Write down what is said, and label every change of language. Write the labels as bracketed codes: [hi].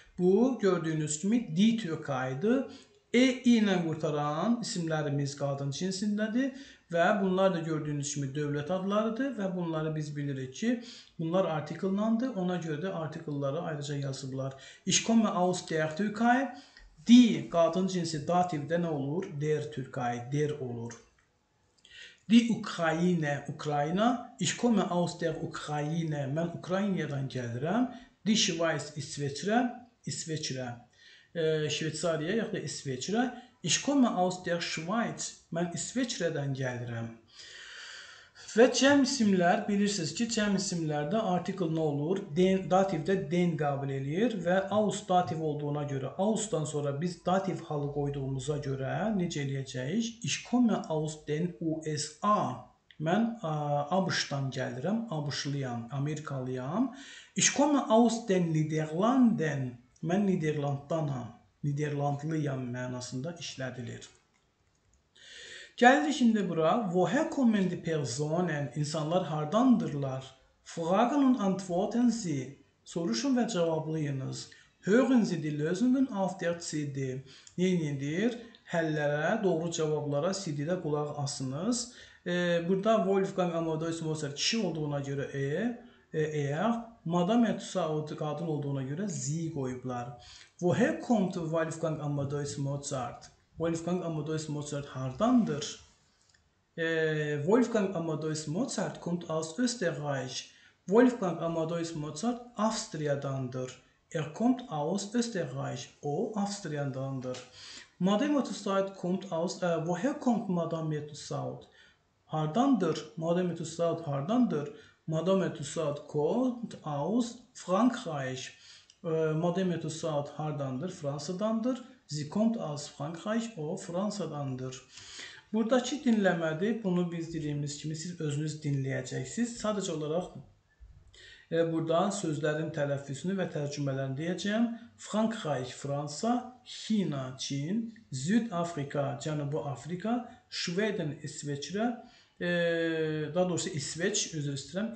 [az] Bu gördüyünüz kimi die Türkei'di. E ilə qurtaran isimlərimiz qadın cinsindədir. Və bunlar da gördüyünüz kimi dövlət adlarıdır və bunları biz bilirik ki, bunlar artikllandı. Ona görə də artikılları ayrıca yazıblar. [de] Ich komme aus der Türkei. [az] Die qadın cinsi dativdə nə olur? [de] Der Türkei, der olur. Die Ukraine, Ukrayna. Ich komme aus der Ukraine. [az] Mən Ukraynadan gəlirəm. Die Schweiz, İsveçrə, İsveçrə. Şveytsariya ya da İsveçrə. [de] Ich komme aus der Schweiz. [az] Mən İsveçrədən gəlirəm. Və cəm isimlər, bilirsiniz ki, cəm isimlərdə artikl nə olur? Den, dativdə den qəbul eləyir və aus dativ olduğuna görə, ausdan sonra biz dativ halı qoyduğumuza görə necə eləyəcəyik? [de] Ich komme aus den USA. [az] Mən ABŞ-dan gəlirəm, ABŞ-lıyam, Amerikalıyam. [de] Ich komme aus den Niederlanden. [az] Mən Niderlanddanam, Niderlandlıyam mənasında işlədilir. Gəldik şimdi bura. [de] Woher kommen die Personen? [az] İnsanlar hardandırlar? [de] Fragen und antworten Sie. [az] Soruşun və cavablayınız. [de] Hören Sie die Lösungen auf der CD. [az] Neyindir? Həllərə, doğru cavablara CD-də qulaq asınız. Burada Wolfgang Amadeus Mozart kişi olduğuna göre eğer Madame Tussaud kadın olduğuna göre Z koyublar. [de] Woher kommt Wolfgang Amadeus Mozart? Wolfgang Amadeus Mozart hardandır? Wolfgang Amadeus Mozart kommt aus Österreich. [az] Wolfgang Amadeus Mozart Avstriyadandır. [de] Er kommt aus Österreich. [az] O Avstriyadandır. [de] Madame Tussaud kommt aus woher kommt Madame Tussaud? Hardandır? Madame Tussaud hardandır? Madame Tussaud kommt aus Frankreich. [az] Madame Tussaud hardandır? Fransa'dandır. [de] Sie kommt aus Frankreich. [az] O Fransa'dandır. Buradaki dinləmədir. Bunu biz dediğimiz kimi siz özünüz dinləyəcəksiniz. Sadəcə olaraq burada sözlərin tələffüzünü və tərcümələrini deyəcəm. Frankreich, Fransa. China, Çin. Südafrika, Cənubi Afrika. Schweden, İsveçrə. Daha doğrusu İsveç, özür istəyirəm.